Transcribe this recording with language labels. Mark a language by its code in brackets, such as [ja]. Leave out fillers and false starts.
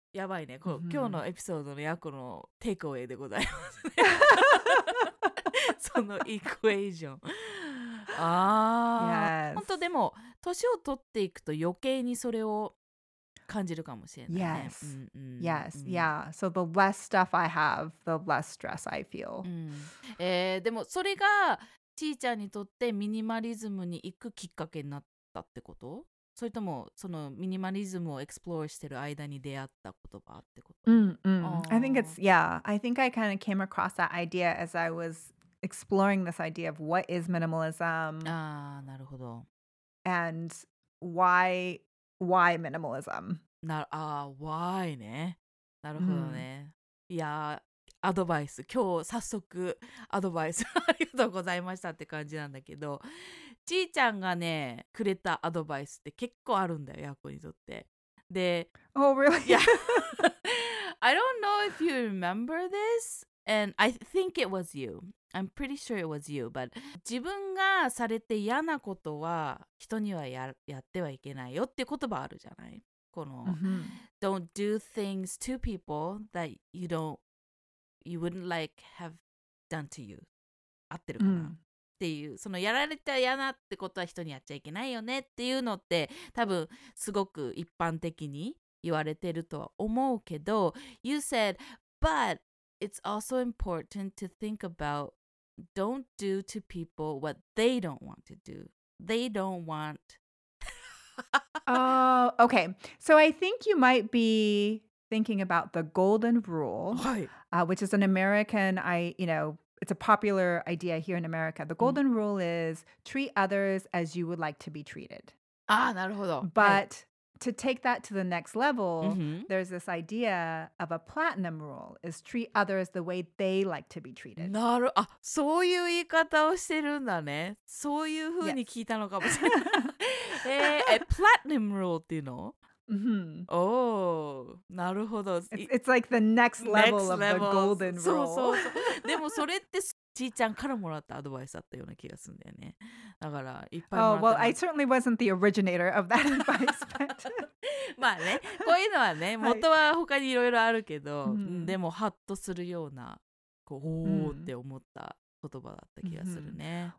[ja] やばいね、今日のエピソードのヤコのテイクアウェイでございますね。そのイクエーション。ああ、 [en] yes. [ja] 本当でも年を取っていくと余計にそれを感じるかもしれないね。 [en] Yes, yes, yeah. So the less stuff I have, the less stress I feel. [ja] でもそれがちーちゃんにとってミニマリズムに行くきっかけになったってこと？それともそのミニマリズムを explore してる間に出会った言葉ってこと？ [en] I think it's, yeah. I think I kind of came across that idea as I was exploring this idea of what is minimalism. [ja] Ah, なるほど。 [en] And why minimalism? [ja] Why ね。なるほどね。いや、アドバイス。今日早速アドバイスありがとうございましたって感じなんだけど、ちーちゃんがね、くれたアドバイスって結構あるんだよ、ヤコにとって。で、 [en] Oh, really? Yeah. I don't know if you remember this. And I think it was you. I'm pretty sure it was you. [ja] But 自分がされて嫌なことは人には やってはいけないよっていう言葉あるじゃない。この、 [en] Don't do things to people that you wouldn't like have done to you. [ja] 合ってるかな、っていう、そのやられて嫌なってことは人にやっちゃいけないよねっていうのって、多分すごく一般的に言われてるとは思うけど、 [en] You said, butIt's also important to think about don't do to people what they don't want to do. They don't want... Oh, okay. So I think you might be thinking about the golden rule, which is an American, it's a popular idea here in America. The golden rule is treat others as you would like to be treated. [ja] Ah, なるほど。 [en] But... To take that to the next level, there's this idea of a platinum rule, is treat others the way they like to be treated. [ja] なる、あ、そういう言い方をしてるんだね。そういうふうに聞いたのかもしれない。 platinum rule っていうの？Oh, なるほど。 [en] It's like the next level next of level. The golden rule. [ja] そうそうそう。でもそれってちーちゃんからもらったアドバイスだったような気がするんだよね。だからいっぱいもらった。 [en] Oh, well, I certainly wasn't the originator of that advice, but... [ja] まあね、こういうのはね、元は他にいろいろあるけど、でもハッとするような、こう、おーって思った言葉だった気がするね。